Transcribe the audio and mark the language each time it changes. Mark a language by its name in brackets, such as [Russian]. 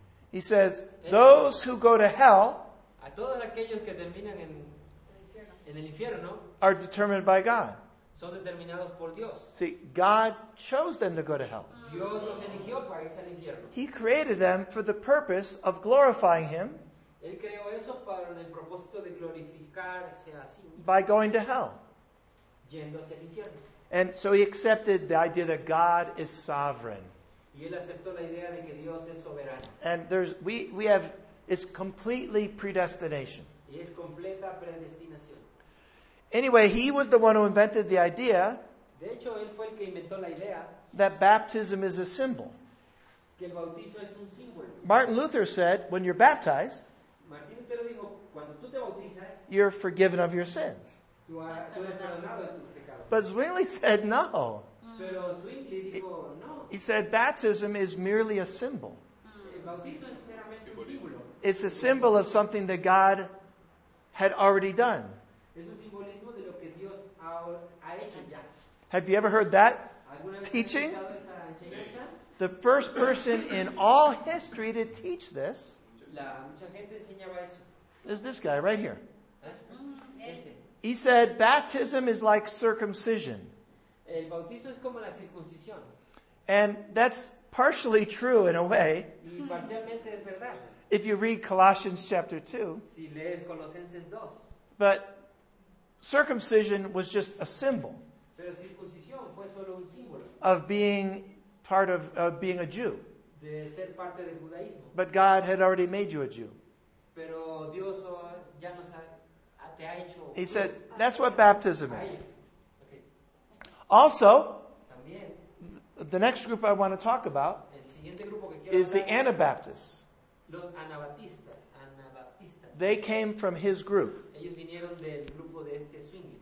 [English] He says, those who go to hell [Spanish] a todos aquellos que terminan en el infierno [English] are determined by God. [Spanish] Son determinados por Dios. [English] See, God chose them to go to hell. [Spanish] Dios los eligió para irse al infierno. [English] He created them for the purpose of glorifying Him. [Spanish] Él creó eso para el propósito de glorificarse a sí mismo. [English] By going to hell. [Spanish] Yendo hacia el infierno. [English] And so he accepted the idea that God is sovereign. [Spanish] Y él aceptó la idea de que Dios es soberano. [English] And we have... It's completely predestination. [Spanish] Y es completa predestinación. [English] Anyway, he was the one who invented the idea, [Spanish] de hecho, él fue el que inventó la idea [English] that baptism is a symbol. [Spanish] Que el bautizo es un símbolo. [English] Martin Luther said, when you're baptized, [Spanish] Martín te lo dijo, cuando tú te bautizas, [English] you're forgiven of your sins. [Spanish] Tú eres perdonado de tus pecados. [English] But Zwingli said no. [Spanish] Pero Zwingli dijo, no. [English] He said baptism is merely a symbol. [Spanish] El bautizo es meramente un símbolo. [English] It's a symbol of something that God had already done. [Spanish] Es un simbolismo de lo que Dios ha hecho ya. [English] Have you ever heard that teaching? The first person in all history to teach this [Spanish] mucha gente enseñaba eso. [English] Is this guy right here. [Spanish] Este. [English] He said, baptism is like circumcision. [Spanish] El bautizo es como la circuncisión. [English] And that's partially true in a way. [Spanish] Y parcialmente es verdad. [English] If you read Colossians chapter 2, [Spanish] si lees Colosenses 2, [English] but circumcision was just a symbol [Spanish] pero circuncisión fue solo un símbolo [English] of being part of being a Jew. [Spanish] de ser parte del judaísmo. [English] But God had already made you a Jew. [Spanish] Pero Dios ya nos te ha hecho. [English] He said, that's what baptism is. Also, [Spanish] también, [English] the next group I want to talk about is the Anabaptists. [Spanish] Los Anabaptistas. [English] They came from his group. [Spanish] Ellos vinieron del grupo de este Swingy.